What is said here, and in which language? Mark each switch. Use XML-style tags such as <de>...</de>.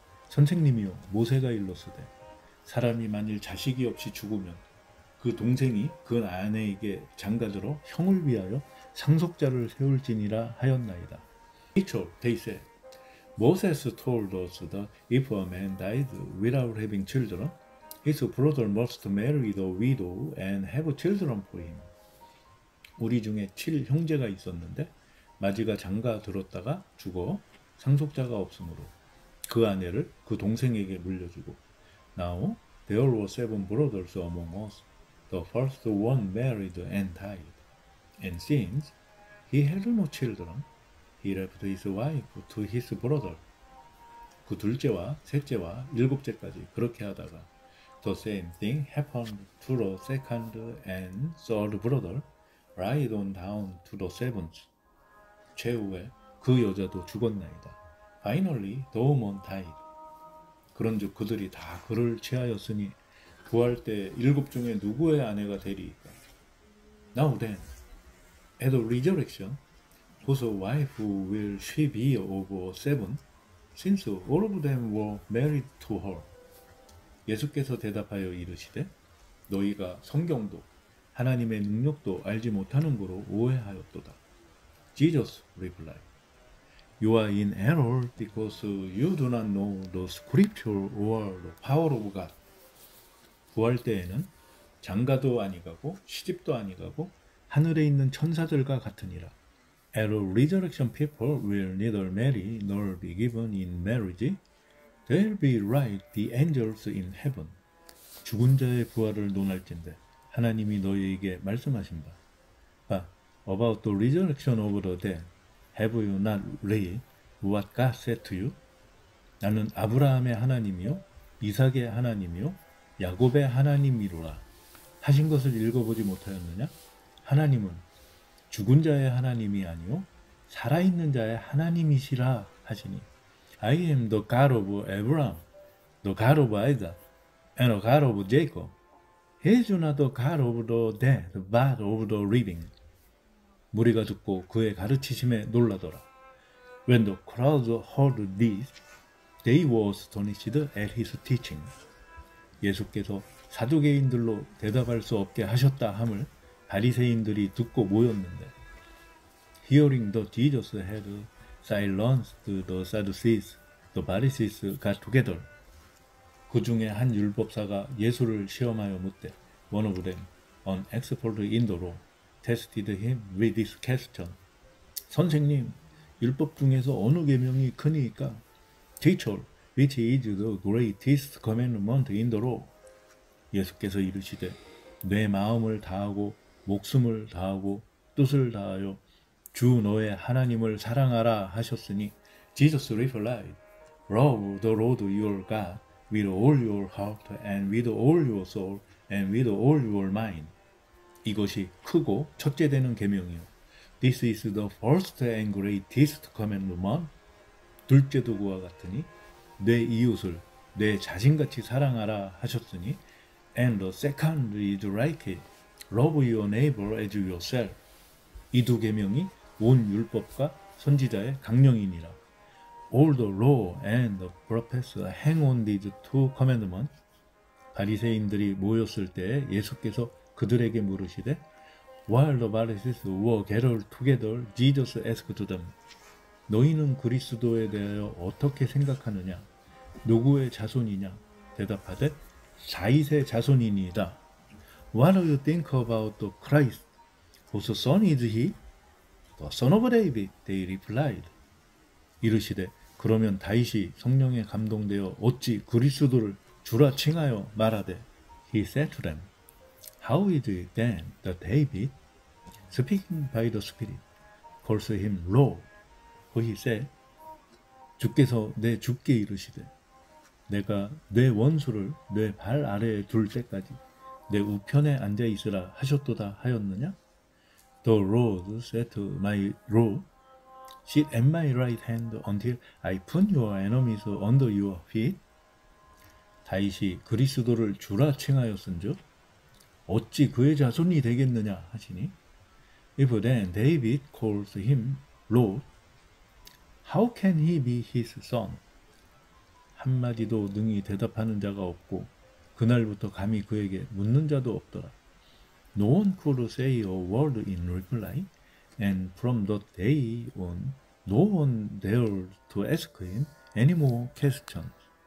<ko>선생님이요, 모세가 일렀으되 사람이 만일 자식이 없이 죽으면 그 동생이 그 아내에게 장가들어 형을 위하여 상속자를 세울지니라 하였나이다.</ko> <en>Rachel, they said, Moses told us that if a man died without having children, his brother must marry the widow and have children for him.</en> <ko>우리 중에 7형제가 있었는데 마지가 장가 들었다가 죽어 상속자가 없으므로 그 아내를 그 동생에게 물려주고</ko> <en>Now there were seven brothers among us. The first one married and died. And since he had no children, he left his wife to his brother.</en> <ko>그 둘째와 셋째와 일곱째까지 그렇게 하다가</ko> <en>The same thing happened to the second and third brother. Ride on down to the seventh.</en> <ko>최후에 그 여자도 죽었나이다.</ko> <en>Finally, the woman died.</en> <ko>그런즉 그들이 다 그를 취하였으니 부활 때 일곱 중에 누구의 아내가 되리이까?</ko> <en>Now then, at the resurrection, whose wife will she be of seven, since all of them were married to her?</en> <ko>예수께서 대답하여 이르시되 너희가 성경도 하나님의 능력도 알지 못하는 거로 오해하였도다.</ko> <en>Jesus replied, You are in error because you do not know the scriptural or the power of God.</en> <ko>부활 때에는 장가도 아니가고 시집도 아니가고 하늘에 있는 천사들과 같으니라.</ko> <en>At the resurrection, people will neither marry nor be given in marriage. They'll be like the angels in heaven.</en> <ko>죽은 자의 부활을 논할진대. 하나님이 너희에게 말씀하신 바.</ko> <en>About the resurrection of the dead, have you not read what God said to you?</en> <ko>나는 아브라함의 하나님이요, 이삭의 하나님이요, 야곱의 하나님이로라. 하신 것을 읽어보지 못하였느냐? 하나님은 죽은 자의 하나님이 아니요, 살아있는 자의 하나님이시라 하시니.</ko> <en>I am the God of Abraham, the God of Isaac, and the God of Jacob. He is not the God of the dead, but of the living.</en> <ko>무리가 듣고 그의 가르치심에 놀라더라.</ko> <en>When the crowd heard this, they were astonished at his teaching.</en> <ko>예수께서 사두개인들로 대답할 수 없게 하셨다 함을 바리새인들이 듣고 모였는데,</ko> <en>Hearing that Jesus had silenced the Sadducees, the Pharisees got together.</en> <ko>그 중에 한 율법사가 예수를 시험하여 묻되,</ko> <en>One of them, an expert in the law, tested him with this question.</en> <ko>선생님, 율법 중에서 어느 계명이 크니까?</ko> <en>Teacher, which is the greatest commandment in the law?</en> <ko>예수께서 이르시되, 내 마음을 다하고, 목숨을 다하고, 뜻을 다하여 주 너의 하나님을 사랑하라 하셨으니,</ko> <en>Jesus replied, Love the Lord your God with all your heart and with all your soul. And with all your mind.</en> <ko>이것이 크고 첫째 되는 계명이요.</ko> <en>This is the first and greatest commandment.</en> <ko>둘째도 그와 같으니, 내 이웃을 내 자신같이 사랑하라 하셨으니,</ko> <en>And the second is like it. Love your neighbor as yourself.</en> <ko>이 두 계명이 온 율법과 선지자의 강령이니라.</ko> <en>All the law and the prophets hang on these two commandments. 바리새인들이 모였을 때 예수께서 그들에게 물으시되 While the Pharisees were gathered together, Jesus asked them,</en> <ko>너희는 그리스도에 대하여 어떻게 생각하느냐? 누구의 자손이냐? 대답하되 다윗의 자손이니이다.</ko> <en>What do you think about the Christ? Whose son is he? The son of David, they replied.</en> <ko>이르시되 그러면 다윗이 성령에 감동되어 어찌 그리스도를 주라 칭하여 말하되</ko> <en>He said to them, How is it then that David, speaking by the Spirit, calls him Lord? For he said,</en> <ko>주께서 내 주께 이르시되 내가 내 원수를 내 발 아래에 둘 때까지 내 우편에 앉아 있으라 하셨도다 하였느냐?</ko> <en>The Lord said to my Lord, Sit at my right hand until I put your enemies under your feet.</en> <ko>다윗이 그리스도를 주라 칭하였은즉 어찌 그의 자손이 되겠느냐 하시니</ko> <en>If then David calls him Lord, how can he be his son?</en> <ko>한마디도 능히 대답하는 자가 없고 그날부터 감히 그에게 묻는 자도 없더라.</ko> <en>No one could say a word in reply, and from that day on, no one dared to ask him any more questions.</en>